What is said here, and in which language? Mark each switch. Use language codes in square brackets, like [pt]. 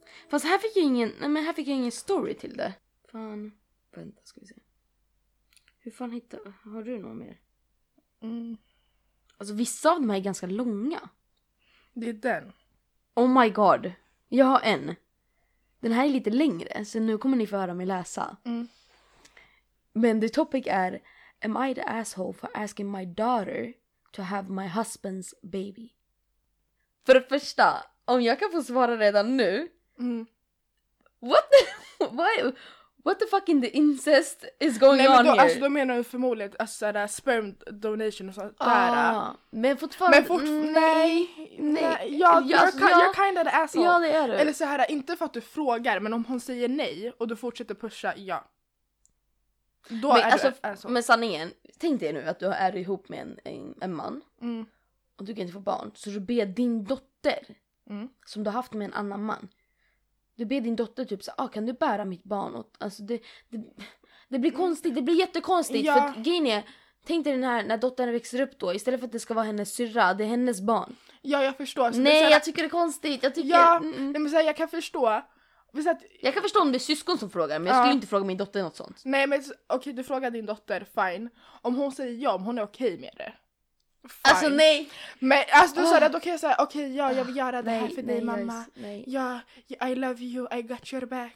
[sv] Fast här fick jag ingen, nej men här fick jag ingen story till det. Fan. Vänta, ska vi se. Hur fan hittar, har du någon mer? Mm. Alltså vissa av dem är ganska långa. Det är den. Oh my god. Jag har en. Den här är lite längre, så nu kommer ni få höra mig läsa. Mm. Men [en] the topic [sv] är, [en] am I the asshole for asking my daughter to have my husband's baby? [sv] För det första, om jag kan få svara redan nu. Mm. [en] What the fucking the incest is going on here? [sv] Alltså då menar jag förmodligen alltså där [en] sperm donation [sv] och sånt där. Men fortfarande... Nej. Jag [en] kind of the asshole. [sv] Ja, det är du. Eller så här, inte för att du frågar, men om hon säger nej och du fortsätter pusha, ja. Då men, är alltså, du asshole. Men sanningen, tänk dig nu att du är ihop med en man. Mm. Och du kan inte få barn. Så du ber din dotter, som du har haft med en annan man. Du ber din dotter typ såhär, kan du bära mitt barn åt? Alltså det blir konstigt, det blir jättekonstigt. Ja. För att grejen är, tänk dig den här, när dottern växer upp då, istället för att det ska vara hennes syrra, det är hennes barn. Ja, jag förstår. Så nej, såhär, jag tycker det är konstigt. Jag tycker, ja, nej, men såhär, jag kan förstå. Att, jag kan förstå om det är syskon som frågar, men jag skulle inte fråga min dotter något sånt. Nej, men okej, du frågar din dotter, fine. Om hon säger ja, om hon är okej med det. Fine. Alltså nej. Men alltså du sa det, då kan jag säga okej, ja, jag vill göra det här för dig mamma. [en] Ja, I love you, I got your back.